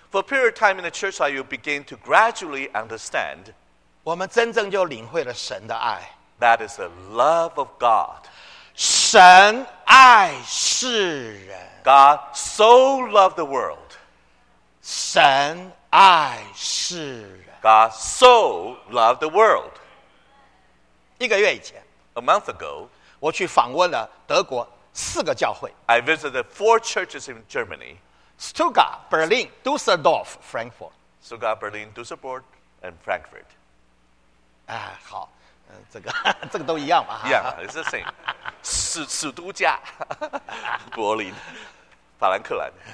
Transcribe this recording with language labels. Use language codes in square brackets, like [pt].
[en] For a period of time in the church, you begin to gradually understand. [zh] 我们真正就领会了神的爱。 [en] That is the love of God. [zh] 神爱世人。 [en] God so loved the world. [zh] 神爱世人。 [en] God so loved the world. [zh] 一个月以前 [en] A month ago, [zh] 我去访问了德国四个教会。 [en] I visited four churches in Germany. Stuttgart, Berlin, Düsseldorf, Frankfurt. Stuttgart, Berlin, Düsseldorf, and Frankfurt. [zh] 好。这个都一样嘛。 [en] 一样 ，it's the same. [zh] 史都加，柏林，法兰克兰。